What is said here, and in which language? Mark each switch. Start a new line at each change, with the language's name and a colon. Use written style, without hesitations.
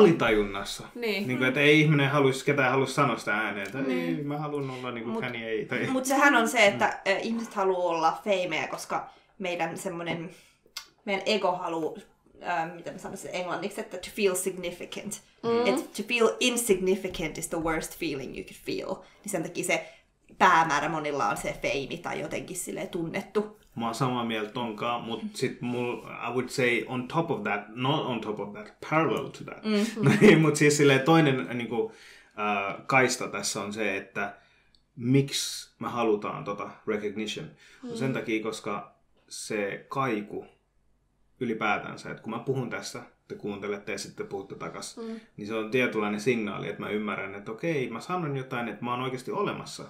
Finnish: Alitajunnassa. Niin. Niin kuin, että ei ihminen haluaisi, ketään haluaisi sanoa sitä ääneen, että ei, mä haluan olla niin kuin Kanye. Mut sehän on se, että ihmiset haluaa olla feimejä, koska meidän semmoinen, meidän ego haluaa, mitä mä sanoisin englanniksi, että
English: to feel significant. Mm.
Finnish: Et
English: to feel insignificant is the worst feeling you could feel.
Finnish: Niin sen takia se päämäärä monilla on se feimi tai jotenkin silleen tunnettu. Mä oon samaa mieltä tonkaan, mutta sit mulla,
English: I would say on top of that, not on top of that, parallel to that. Mm-hmm.
Finnish: Mutta siis silleen toinen niinku, kaista tässä on se, että miksi me halutaan tota recognition. Mm. Sen takia, koska se kaiku ylipäätänsä, että kun mä puhun tässä, te kuuntelette ja sitten puhutte takas, niin se on tietynlainen signaali, että mä ymmärrän, että okei, mä sanon jotain, että mä oon oikeasti olemassa.